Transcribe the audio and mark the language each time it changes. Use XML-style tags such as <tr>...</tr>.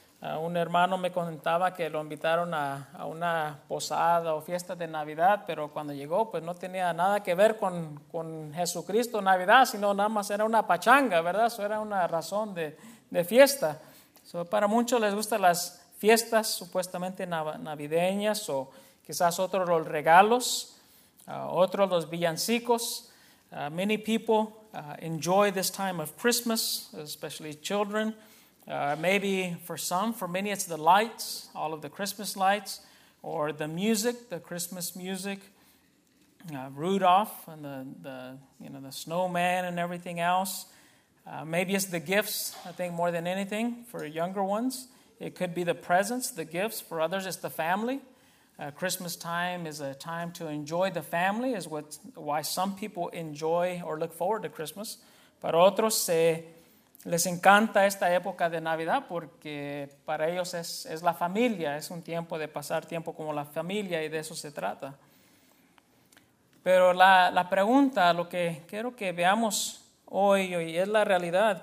<es>Un hermano me comentaba que lo invitaron a una posada o fiesta de Navidad, pero cuando llegó, pues no tenía nada que ver con Jesucristo Navidad, sino nada más era una pachanga, ¿verdad? Eso era una razón de fiesta. So, para muchos les gustan las fiestas supuestamente navideñas, o quizás otros los regalos, otros los villancicos.</es> <en>Many people enjoy this time of Christmas, especially children. Maybe for many it's the lights, all of the Christmas lights, or the music, the Christmas music, Rudolph and the snowman and everything else. Maybe it's the gifts, I think, more than anything for younger ones. It could be the presents, the gifts. For others, it's the family. Christmas time is a time to enjoy the family, is why some people enjoy or look forward to Christmas.</en> <es>Para otros se les encanta esta época de Navidad porque para ellos es la familia, es un tiempo de pasar tiempo como la familia, y de eso se trata. Pero la pregunta, lo que quiero que veamos hoy es la realidad.</es>